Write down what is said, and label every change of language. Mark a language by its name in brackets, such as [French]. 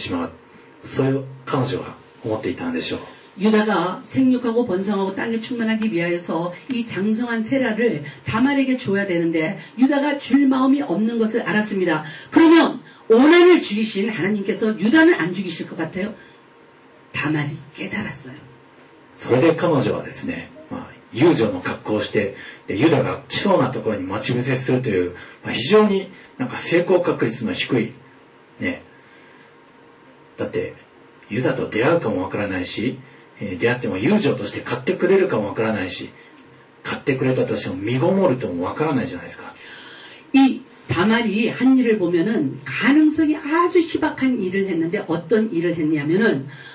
[Japanese] このままではとんでもないことになってしまう、そういう彼女は思っていたんでしょう。 [Korean] 유다가 생육하고 번성하고 땅에 충만하기 위해서 이 장성한 세라를 다말에게 줘야 되는데 유다가 줄 마음이 없는 것을 알았습니다. 그러면 오난을 죽이신 하나님께서 유다는 안 죽이실 것 같아요. 다말이 깨달았어요. [Japanese] それで彼女はですね、まあ遊女の格好をして、ユダが来そうなところに待ち伏せするという、まあ非常になんか成功確率の低い、ね、だってユダと出会うかもわからないし、出会っても遊女として買ってくれるかもわからないし、買ってくれたとしても身ごもるともわからないじゃないですか。 [Korean] 이 다말이 한 일을 보면은 가능성이 아주 희박한 일을 했는데 어떤 일을 했냐면은